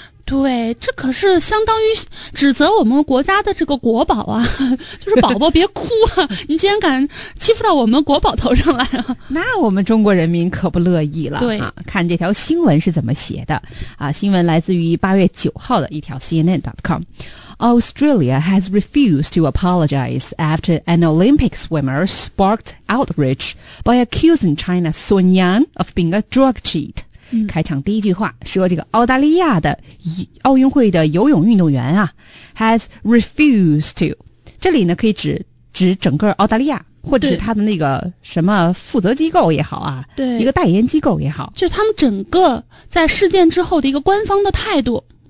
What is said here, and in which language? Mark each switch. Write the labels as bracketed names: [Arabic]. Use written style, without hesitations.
[Chinese] 对，这可是相当于指责我们国家的这个国宝啊，就是宝宝别哭啊，你竟然敢欺负到我们国宝头上来啊。那我们中国人民可不乐意了。对啊，看这条新闻是怎么写的啊，新闻来自于8月9号的一条 CNN.com。 [English] Australia has refused to apologize after an Olympic swimmer sparked outrage by accusing China's Sun Yan of being a drug cheat. [Chinese] 开场第一句话说这个澳大利亚的奥运会的游泳运动员啊 [English] has refused to, [Chinese] 这里呢可以指整个澳大利亚或者是他的那个什么负责机构也好啊，对，一个代言机构也好，就是他们整个在事件之后的一个官方的态度